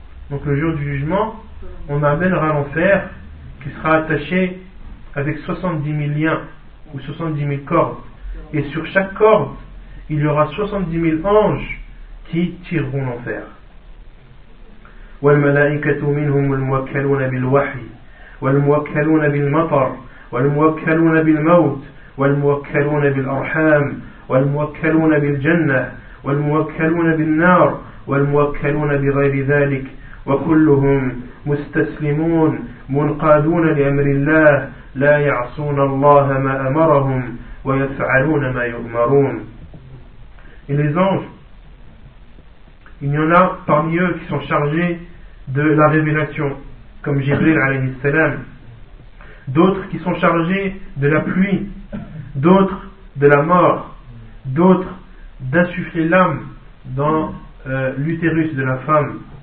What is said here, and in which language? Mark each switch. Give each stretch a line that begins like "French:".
French: Donc le jour du jugement, on amènera l'enfer qui sera attaché avec 70 000 liens ou 70 000 cordes. Et sur chaque corde, il y aura 70 000 anges qui tireront l'enfer.
Arabic: والملائكة منهم الموكلون بالوحي والموكلون بالمطر والموكلون بالموت والموكلون بالأرحام والموكلون بالجنة والموكلون بالنار والموكلون بغير ذلك وكلهم مستسلمون منقادون لأمر الله لا يعصون الله ما أمرهم ويفعلون ما يؤمرون.
French: Et les anges, il y en a parmi eux qui sont chargés de la révélation, comme Jibril alayhi salam, d'autres qui sont chargés de la pluie, d'autres de la mort, d'autres d'insuffler l'âme dans l'utérus de la femme,